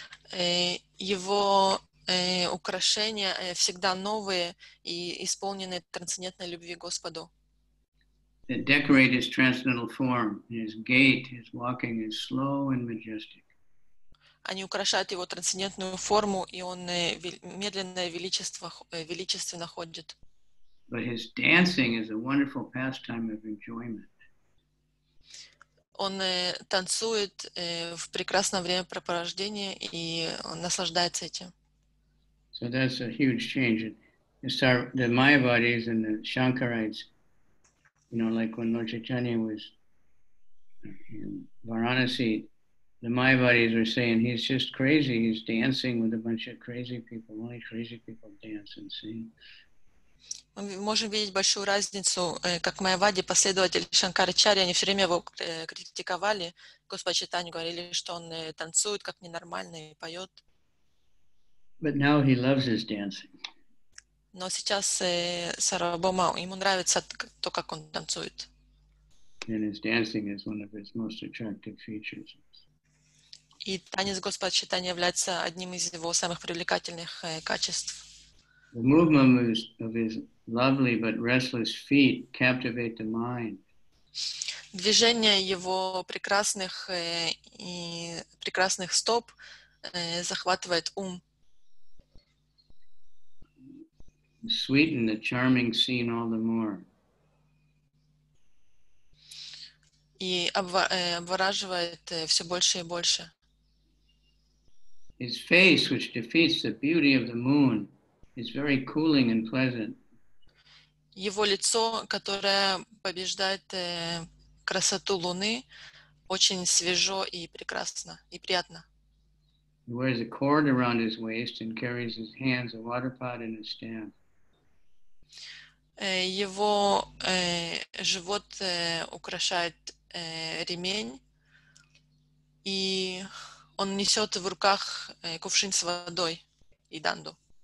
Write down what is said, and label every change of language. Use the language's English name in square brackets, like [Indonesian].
[Russian] Его украшения всегда новые и исполнены трансцендентной любви Господу. [English] That decorate his transcendental form, his gait, his walking is slow and majestic. [Russian] Они украшают его трансцендентную форму, и он медленно величественно ходит. [English] But his dancing is a wonderful pastime of enjoyment. [Russian] Он танцует в прекрасное времяпрепровождение, и он наслаждается этим. [English] So that's a huge change. The Mayavadis and the Shankarites, you know, like when Lord Chaitanya was in Varanasi, the Mayavadis were saying, he's just crazy, he's dancing with a bunch of crazy people. Only crazy people dance and sing. [Russian] Мы можем видеть большую разницу, как Майавади, последователь Шанкарачари, они все время его критиковали. Господь Чайтанья говорили, что он танцует, как ненормальный, и поет. [English] But now he loves his dancing. [Russian] Но сейчас Сарвабхаума, ему нравится то, как он танцует. [English] And his dancing is one of his most attractive features. [Russian] И танец Господа Чайтанья является одним из его самых привлекательных качеств. [English] The movement of his lovely but restless feet captivate the mind. [Russian] Движения его прекрасных и прекрасных стоп захватывает ум. [English] Sweeten the charming scene all the more. [Russian] И обвораживает все больше и больше. [English] His face, which defeats the beauty of the moon, is very cooling and pleasant. [Russian] Его лицо, которое побеждает красоту луны, очень свежо и прекрасно, и приятно. [English] He wears a cord around his waist and carries his hands, a water pot and a staff. [Russian] Его живот украшает ремень, и он несет в руках кувшин с водой и данду.